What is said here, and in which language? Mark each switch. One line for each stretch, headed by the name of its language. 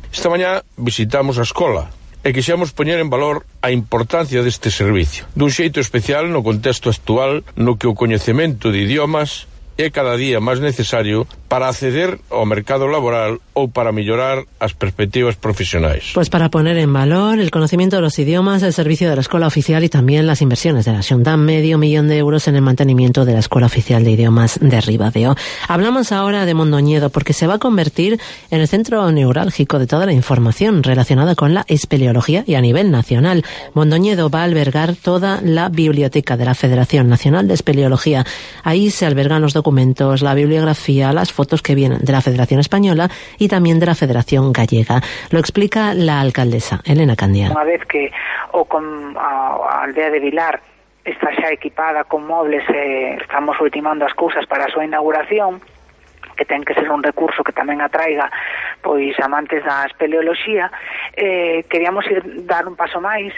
Galician: Esta mañá visitamos a escola e quixemos poñer en valor a importancia deste servicio, dun xeito especial no contexto actual no que o coñecemento de idiomas é cada día máis necesario para acceder ao mercado laboral ou para mellorar as perspectivas profesionais.
Spanish: Pois para poner en valor el conocimiento de los idiomas, el servicio de la escola oficial y también las inversiones de la Xunta, medio millón de euros en el mantenimiento de la Escola Oficial de Idiomas de Ribadeo. Hablamos ahora de Mondoñedo porque se va a convertir en el centro neurálgico de toda la información relacionada con la espeleología y a nivel nacional. Mondoñedo va a albergar toda la biblioteca de la Federación Nacional de Espeleología. Ahí se albergan los documentos, la bibliografía, las fotos que vienen de la Federación Española y también de la Federación Gallega. Lo explica la alcaldesa, Elena Candia.
Galician: Una vez que a Aldea de Vilar está xa equipada con mobles, estamos ultimando as cousas para a súa inauguración, que ten que ser un recurso que tamén atraiga pois amantes da espeleoloxía, queríamos ir dar un paso máis.